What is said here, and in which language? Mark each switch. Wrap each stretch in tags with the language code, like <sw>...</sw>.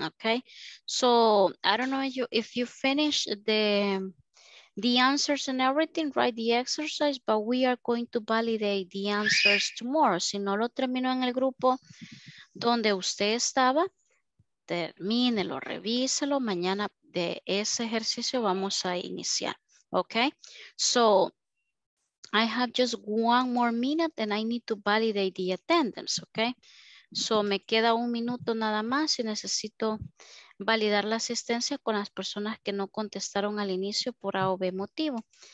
<en>Okay, so I don't know if you finish the answers and everything, right? The exercise, but we are going to validate the answers tomorrow.</en> <es>Si no lo terminó en el grupo donde usted estaba, termínelo, revíselo. Mañana de ese ejercicio vamos a iniciar.</es> <en>Okay, so I have just one more minute and I need to validate the attendance. Okay.</en> <es>So me queda un minuto nada más y necesito validar la asistencia con las personas que no contestaron al inicio por A o B motivo.</es>